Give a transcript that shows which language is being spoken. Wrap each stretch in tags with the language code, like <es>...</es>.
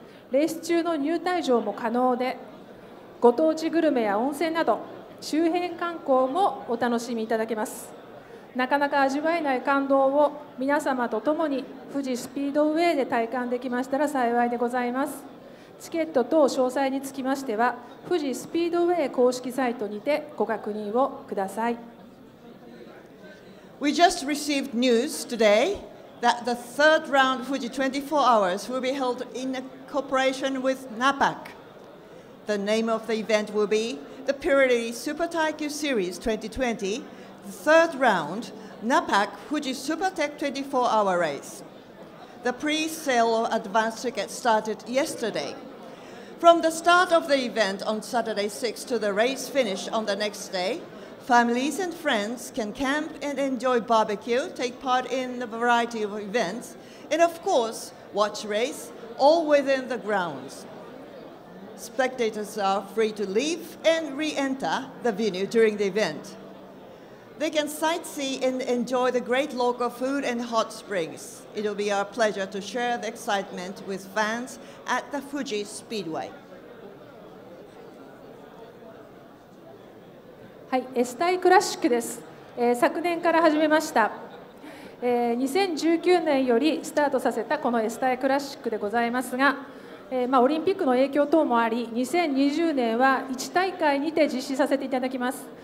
<ja>レース中の入退場も可能で、ご当地グルメや温泉など周辺観光もお楽しみいただけます。なかなか味わえない感動を皆様と共に富士スピードウェイで体感できましたら幸いでございます。チケット等詳細につきましては富士スピードウェイ公式サイトにてご確認をください。</ja> <en>We just received news today that the third round Fuji 24 hours will be held in a cooperation with NAPAC. The name of the event will be the Pirelli Super Taikyu Series 2020, the third round NAPAC Fuji Super Tech 24 hour race. The pre-sale of advance tickets started yesterday. From the start of the event on Saturday 6 to the race finish on the next day, families and friends can camp and enjoy barbecue, take part in a variety of events, and of course, watch race, all within the grounds. Spectators are free to leave and re-enter the venue during the event. They can sightsee and enjoy the great local food and hot springs. It'll be our pleasure to share the excitement with fans at the Fuji Speedway.</en> <ja>はい、S タイクラシックです。昨年から始めました。 2019年よりスタートさせたこの S タイクラシックでございますが、オリンピックの影響等もあり、2020年は1大会にて実施させていただきます。</ja>